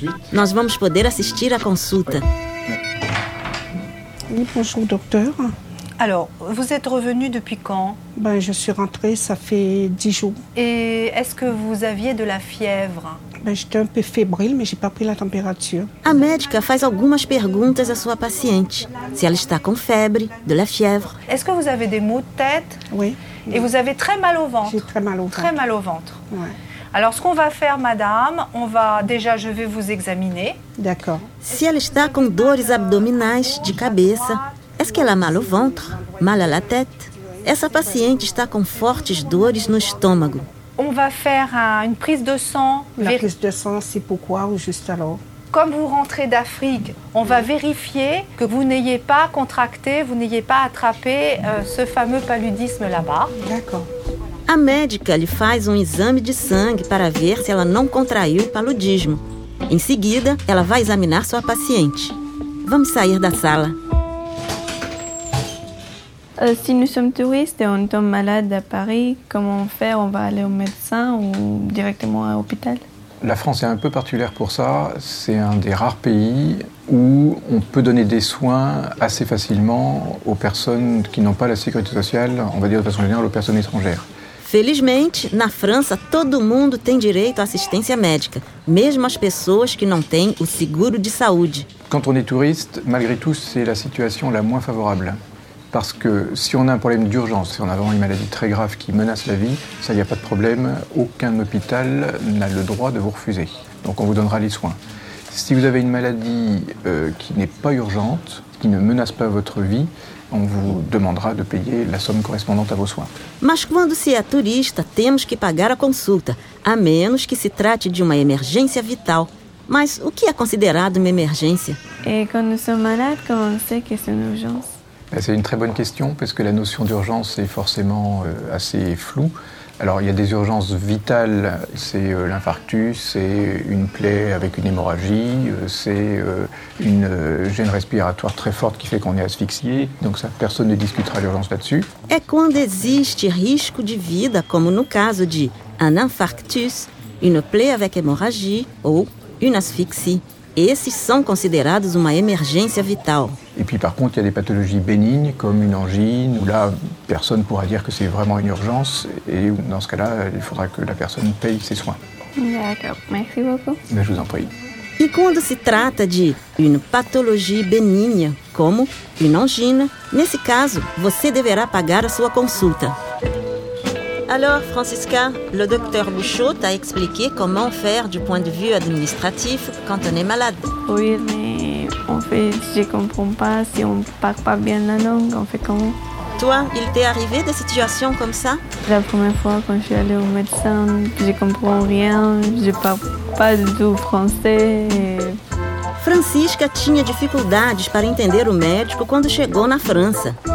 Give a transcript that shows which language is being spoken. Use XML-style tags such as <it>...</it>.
<pt>Nós vamos poder assistir à consulta.</pt> <fr>Bonjour, docteur. Alors, vous êtes revenu depuis quand? Ben, je suis rentrée, ça fait 10 jours. Et est-ce que vous aviez de la fièvre? Ben, j'étais un peu fébrile, mais j'ai pas pris la température.</fr> <pt>A médica faz algumas perguntas à sua paciente. Se ela está com febre,</pt> <fr>de la fièvre. Est-ce que vous avez des maux de tête? Oui. Et vous avez très mal au ventre? J'ai très mal au ventre. Très mal au ventre. Oui. Alors, ce qu'on va faire, madame, on va... Déjà, je vais vous examiner. D'accord. Si elle</fr> <pt>está com dores abdominais de cabeça...</pt> <fr>Est-ce qu'elle a mal au ventre, mal à la tête?</fr> <pt>Essa paciente está com fortes dores no estômago.</pt> <fr>On va faire une prise de sang. La prise de sang, c'est pourquoi ou juste alors? Comme vous rentrez d'Afrique, on va vérifier que vous n'ayez pas contracté, vous n'ayez pas attrapé ce fameux paludisme là-bas. D'accord.</fr> <pt>A médica lhe faz exame de sangue para ver se ela não contraiu paludismo. Em seguida, ela vai examinar sua paciente. Vamos sair da sala.</pt> <fr>Si nous sommes touristes et on tombe malade à Paris, comment faire? On va aller au médecin ou directement à l'hôpital? La France est un peu particulière pour ça. C'est un des rares pays où on peut donner des soins assez facilement aux personnes qui n'ont pas la sécurité sociale, on va dire de façon générale, aux personnes étrangères.</fr> <pt>Felizmente, na França, todo mundo tem direito à assistência médica, mesmo as pessoas que não têm o seguro de saúde.</pt> <fr>Quand on est touriste, malgré tout, c'est la situation la moins favorable. Parce que si on a un problème d'urgence, si on a vraiment une maladie très grave qui menace la vie, ça, il n'y a pas de problème. Aucun hôpital n'a le droit de vous refuser. Donc on vous donnera les soins. Si vous avez une maladie qui n'est pas urgente, qui ne menace pas votre vie, on vous demandera de payer la somme correspondante à vos soins.</fr> <pt>Mas quando se é turista, temos que pagar a consulta, a menos que se trate de uma emergência vital. Mas o que é considerado uma emergência?</pt> <fr>Et quand nous sommes malades, comment on sait que c'est une urgence? C'est une très bonne question, parce que la notion d'urgence est forcément assez floue. Alors, il y a des urgences vitales, c'est l'infarctus, c'est une plaie avec une hémorragie, c'est une gêne respiratoire très forte qui fait qu'on est asphyxié, donc ça, personne ne discutera l'urgence là-dessus. C'est quand il y a un risque de vie, comme dans le cas d'un infarctus, une plaie avec hémorragie ou une asphyxie.</fr> <pt>Esses são considerados uma emergência vital.</pt> <fr>Et puis par contre, il y a des pathologies bénignes comme une angine où là personne pourra dire que c'est vraiment une urgence et dans ce cas-là, il faudra que la personne paye ses soins. D'accord. Merci beaucoup. Mais je vous en prie.</fr> <pt>E quando se trata de</pt> <fr>une pathologie bénigne comme une angine,</fr> <pt>nesse caso, você deverá pagar a sua consulta.</pt> <fr>Alors, Francisca, le docteur Bouchot t'a expliqué comment faire du point de vue administratif quand on est malade. Oui, mais en fait, je ne comprends pas. Si on ne parle pas bien la langue, on fait comment? Toi, il t'est arrivé des situations comme ça? La première fois, quand je suis allée au médecin, je ne comprends rien. Je ne parle pas du tout français.</fr> <pt>Francisca tinha dificuldades para entender o médico quando chegou na França.</pt>